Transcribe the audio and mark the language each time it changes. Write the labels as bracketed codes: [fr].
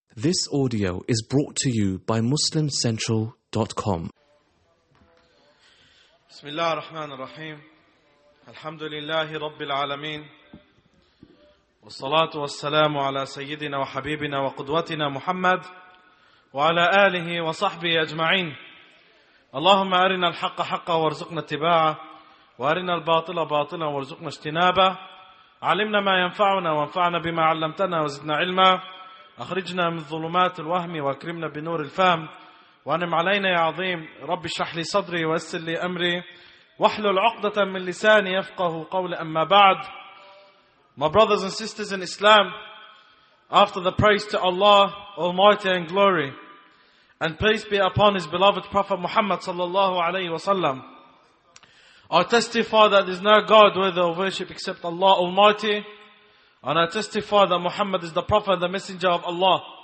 [en] This audio is brought to you by MuslimCentral.com. [ar] بسم الله الرحمن الرحيم الحمد لله رب العالمين والصلاة والسلام على سيدنا وحبيبنا وقدوتنا محمد وعلى آله وصحبه أجمعين اللهم أرنا الحق حقا وارزقنا اتباعه وأرنا الباطل باطلا وارزقنا اجتنابه علمنا ما ينفعنا وانفعنا بما علمتنا وزدنا علما أخرجنا من ظلمات الوهم وأكرمنا بنور الفهم وأنعم علينا يا عظيم رب اشرح لي صدري ويسر لي أمري واحلل عقدة من لساني يفقه قولي أما بعد. [en] My brothers and sisters in Islam, after the praise to Allah Almighty and Glory, and peace be upon His beloved Prophet Muhammad sallallahu alayhi wa sallam, I testify that there is no God worthy of worship except Allah Almighty, and I testify that Muhammad is the Prophet, the Messenger of Allah.